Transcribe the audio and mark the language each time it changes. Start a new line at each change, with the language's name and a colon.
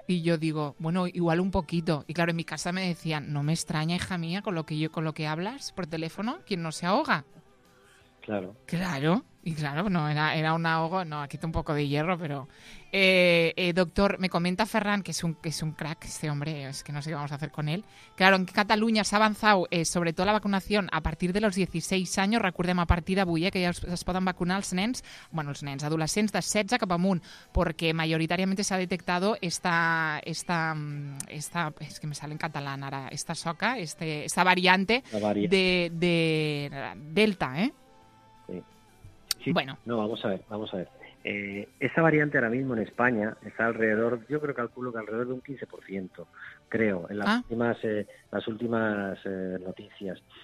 Spanish: Y yo digo, bueno, igual un poquito. Y claro, en mi casa me decían, no me extraña, hija mía, con lo que hablas por teléfono, ¿quién no se ahoga? Claro. Claro, y claro, no, era un ahogo, no, aquí está un poco de hierro, pero... doctor, me comenta Ferran, que es un crack este hombre, es que no sé qué vamos a hacer con él. Claro, en Cataluña se ha avanzado, sobre todo la vacunación, a partir de los
Catalan: 16 anys, recordem a partir d'avui, que ja es poden vacunar els nens, bueno, els nens, adolescents de 16 cap amunt, perquè majoritàriament s'ha detectat esta, és que
Spanish: me sale en
Catalan: català ara, esta soca,
Spanish: esta variante de Delta, ¿eh? Sí. Bueno. No, vamos a ver. Esa variante ahora mismo en España está alrededor, yo creo, calculo que alrededor de un 15%, creo, en las últimas noticias.